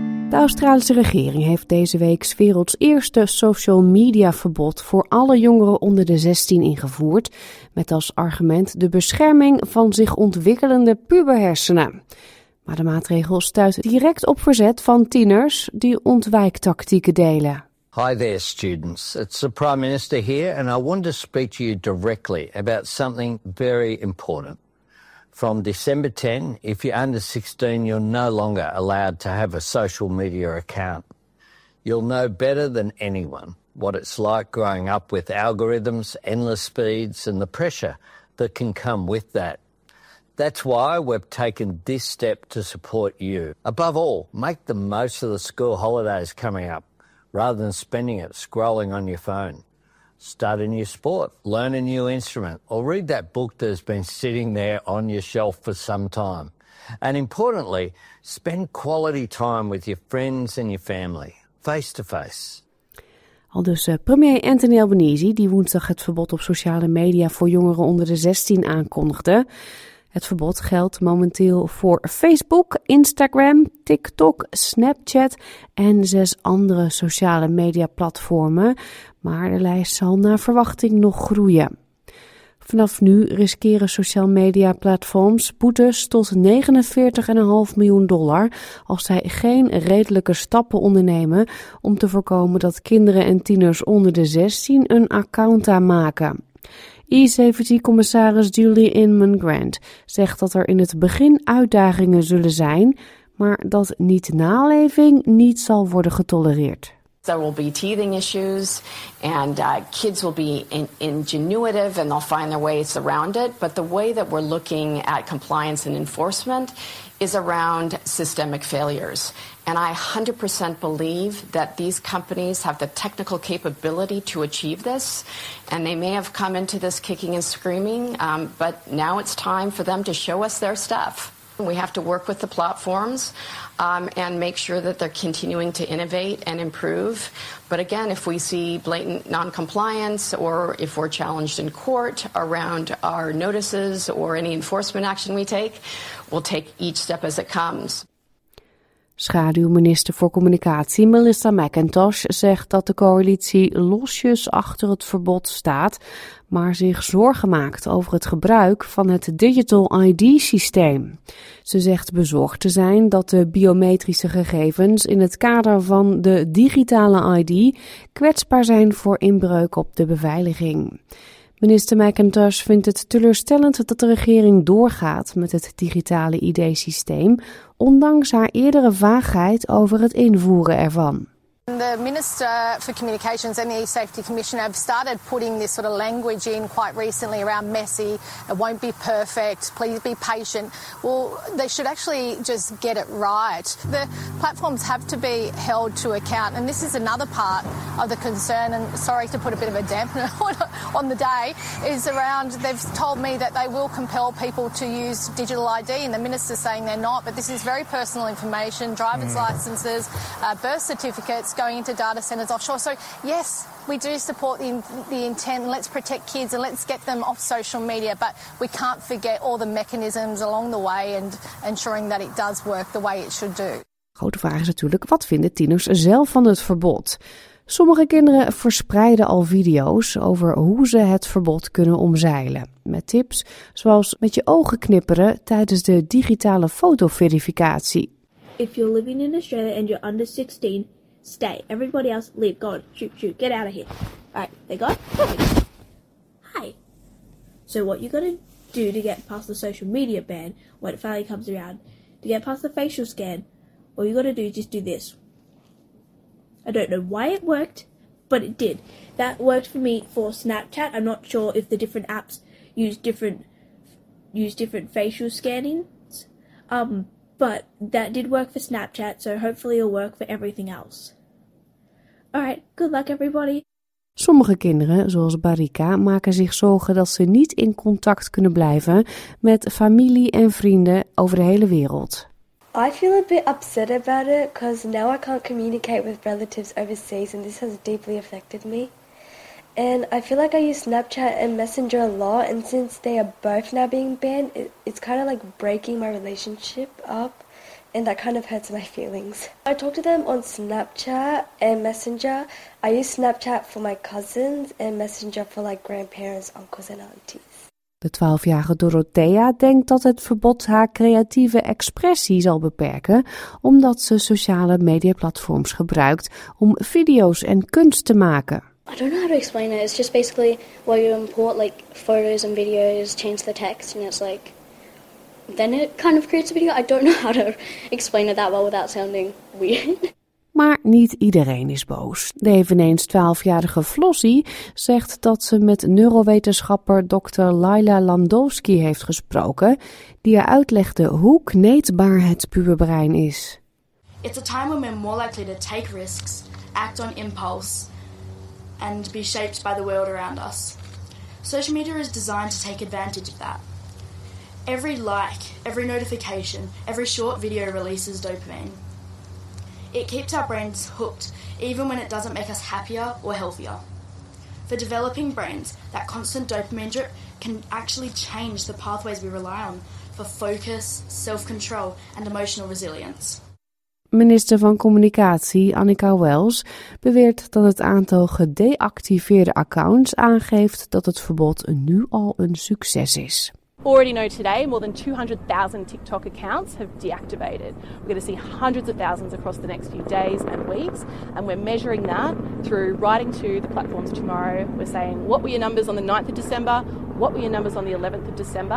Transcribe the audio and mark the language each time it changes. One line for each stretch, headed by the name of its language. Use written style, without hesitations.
Dutch: De Australische regering heeft deze week 's werelds eerste social media verbod voor alle jongeren onder de 16 ingevoerd, met als argument de bescherming van zich ontwikkelende puberhersenen. Maar de maatregel stuit direct op verzet van tieners die ontwijktactieken delen.
English: Hi there, students. It's the Prime Minister here and I want to speak to you directly about something very important. From December 10, if you're under 16, you're no longer allowed to have a social media account. You'll know better than anyone what it's like growing up with algorithms, endless speeds, and the pressure that can come with that. That's why we've taken this step to support you. Above all, make the most of the school holidays coming up, rather than spending it scrolling on your phone. Start a new sport, learn a new instrument, or read that book that has been sitting there on your shelf for some time. And importantly, spend quality time with your friends and your family, face to face.
Dutch: Aldus premier Anthony Albanese, die woensdag het verbod op sociale media voor jongeren onder de 16 aankondigde. Het verbod geldt momenteel voor Facebook, Instagram, TikTok, Snapchat en 6 andere sociale media platformen. Maar de lijst zal naar verwachting nog groeien. Vanaf nu riskeren social media platforms boetes tot $49,5 miljoen als zij geen redelijke stappen ondernemen om te voorkomen dat kinderen en tieners onder de 16 een account aanmaken. E-70-commissaris Julie Inman Grant zegt dat er in het begin uitdagingen zullen zijn, maar dat niet-naleving niet zal worden getolereerd.
English: There will be teething issues and kids will be ingenuitive and they'll find their ways around it. But the way that we're looking at compliance and enforcement is around systemic failures. And I 100% believe that these companies have the technical capability to achieve this. And they may have come into this kicking and screaming, but now it's time for them to show us their stuff. We have to work with the platforms and make sure that they're continuing to innovate and improve. But again, if we see blatant non-compliance or if we're challenged in court around our notices or any enforcement action we take, we'll take each step as it comes.
Dutch: Schaduwminister voor Communicatie Melissa McIntosh zegt dat de coalitie losjes achter het verbod staat, maar zich zorgen maakt over het gebruik van het Digital ID-systeem. Ze zegt bezorgd te zijn dat de biometrische gegevens in het kader van de digitale ID kwetsbaar zijn voor inbreuk op de beveiliging. Minister McIntosh vindt het teleurstellend dat de regering doorgaat met het digitale ID-systeem, ondanks haar eerdere vaagheid over het invoeren ervan.
English: The Minister for Communications and the E-Safety Commissioner have started putting this sort of language in quite recently around messy, it won't be perfect, please be patient. Well, they should actually just get it right. The platforms have to be held to account, and this is another part of the concern, and sorry to put a bit of a dampener on the day, is around they've told me that they will compel people to use digital ID, and the Minister's saying they're not, but this is very personal information, driver's licences, birth certificates, going into data centres offshore. So, yes, we do support the intent, and let's protect kids and let's get them off social media, but we can't forget all the mechanisms along the way and ensuring that it does work the way it should do.
Dutch: Grote vraag is natuurlijk, wat vinden tieners zelf van het verbod? Sommige kinderen verspreiden al video's over hoe ze het verbod kunnen omzeilen. Met tips zoals met je ogen knipperen tijdens de digitale fotoverificatie.
English: If you're living in Australia and you're under 16... Stay. Everybody else, leave. Go on. Shoot, shoot. Get out of here. All right. They got it? Hi. So what you're going to do to get past the social media ban when it finally comes around, to get past the facial scan, all you got to do is just do this. I don't know why it worked, but it did. That worked for me for Snapchat. I'm not sure if the different apps use different facial scannings. But that did work for Snapchat, so hopefully it'll work for everything else. Alright, good luck everybody.
Dutch: Sommige kinderen, zoals Barika, maken zich zorgen dat ze niet in contact kunnen blijven met familie en vrienden over de hele wereld.
English: I feel a bit upset about it, because now I can't communicate with relatives overseas and this has deeply affected me. And I feel like I use Snapchat and Messenger a lot, and since they are both now being banned, it's kind of like breaking my relationship up, and that kind of hurts my feelings. I talk to them on Snapchat and Messenger. I use Snapchat for my cousins and Messenger for like grandparents, uncles and aunties.
Dutch: De 12-jarige Dorothea denkt dat het verbod haar creatieve expressie zal beperken, omdat ze sociale mediaplatforms gebruikt om video's en kunst te maken.
English: I don't know how to explain it. It's just basically where you import like photos and videos, change the text, and it's like, then it kind of creates a video. I don't know how to explain it that well without sounding weird.
Dutch: Maar niet iedereen is boos. De eveneens 12-jarige Flossie zegt dat ze met neurowetenschapper Dr. Laila Landowski heeft gesproken, die haar uitlegde hoe kneedbaar het puberbrein is.
English: It's a time when we're more likely to take risks, act on impulse, and be shaped by the world around us. Social media is designed to take advantage of that. Every like, every notification, every short video releases dopamine. It keeps our brains hooked, even when it doesn't make us happier or healthier. For developing brains, that constant dopamine drip can actually change the pathways we rely on for focus, self-control, and emotional resilience.
Dutch: Minister van Communicatie Annika Wells beweert dat het aantal gedeactiveerde accounts aangeeft dat het verbod nu al een succes is.
English: Already know today more than 200,000 TikTok accounts have deactivated. We're going to see hundreds of thousands across the next few days and weeks, and we're measuring that through writing to the platforms tomorrow. We're saying, what were your numbers on the 9th of December? What were your numbers on the 11th of December?